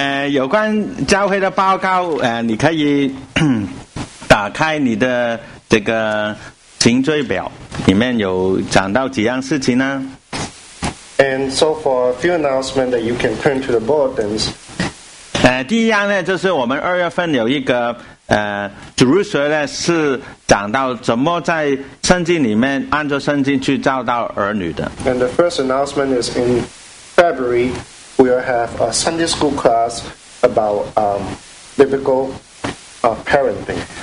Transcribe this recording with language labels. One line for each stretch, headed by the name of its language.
Chinese: 有关教会的报告，你可以打开你的这个行罪表，里面有讲到几样事情呢。
English: And so for a few announcements that you can turn to the bulletins.
Chinese: 第一样呢，就是我们二月份有一个主日学呢，是讲到怎么在圣经里面按照圣经去教导儿女的。
English: And the first announcement is in February. We will have a Sunday school class about biblical parenting.